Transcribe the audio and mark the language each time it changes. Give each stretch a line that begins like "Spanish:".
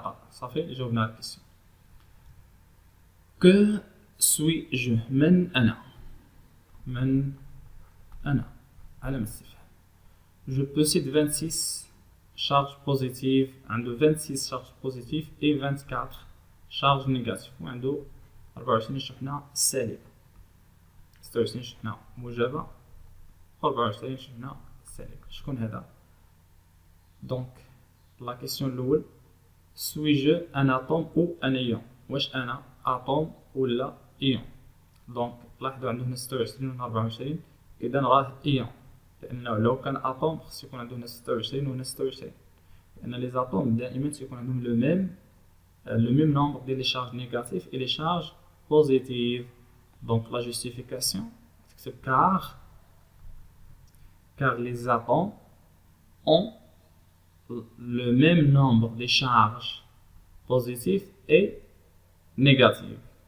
French: Ça fait, je vous la question. Que suis-je?
Arabic: Men ana. Men ana.
French: Je possède 26 charges positives, 26 charges positives et 24 شارج نيجاتيف
Arabic: وعنده 24 شحنة سالبة، 26 شحنة موجبة، 24 شحنة سالبة، شكون هذا؟
French: دونك لا كيسيون
Arabic: الأول،
French: سوي جو أن أتوم أو أن إيون؟
Arabic: واش أنا أتوم ولا إيون؟ دونك لاحظوا عنده هنا 26 و 24، إذا راه إيون، لأنه لو كان أتوم خص يكون عنده هنا 26 و هنا 26، لأن لي زاتوم دائما تيكون عندهم
French: لو ميم le même nombre des charges négatives et les charges positives. Donc la justification, c'est car les atomes ont le même nombre de charges positives et négatives.